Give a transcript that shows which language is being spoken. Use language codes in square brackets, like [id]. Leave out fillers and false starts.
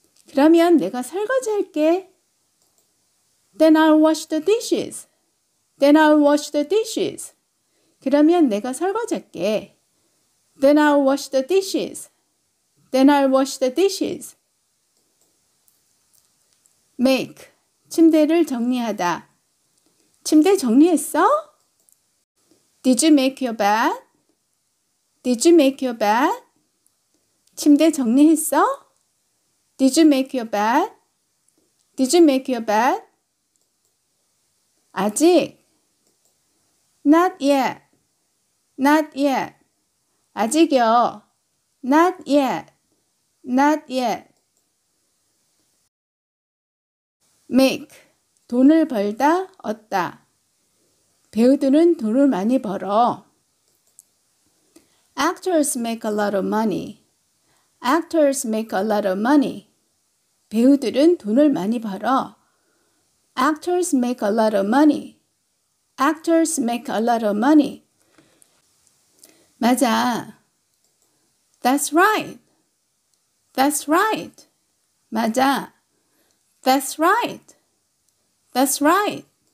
[ko] 그러면 내가 설거지할게. [en] Then I'll wash the dishes. Then I'll wash the dishes. [ko] 그러면 내가 설거지할게. [en] Then I'll wash the dishes. Then I'll wash the dishes. [ko] Make. 침대를 정리하다. 침대 정리했어? [en] Did you make your bed? Did you make your bed? [ko] 침대 정리했어? [en] Did you make your bed? Did you make your bed? [ko] 아직? [en] Not yet. Not yet. [ko] 아직요. [en] Not yet. Not yet. [ko] Make. 돈을 벌다, 얻다. 배우들은 돈을 많이 벌어. [en] Actors make a lot of money. Actors make a lot of money. [ko] 배우들은 돈을 많이 벌어. [en] Actors make a lot of money. Actors make a lot of money. [ko] 맞아. [en] That's right. That's right. 맞아. That's right. That's right.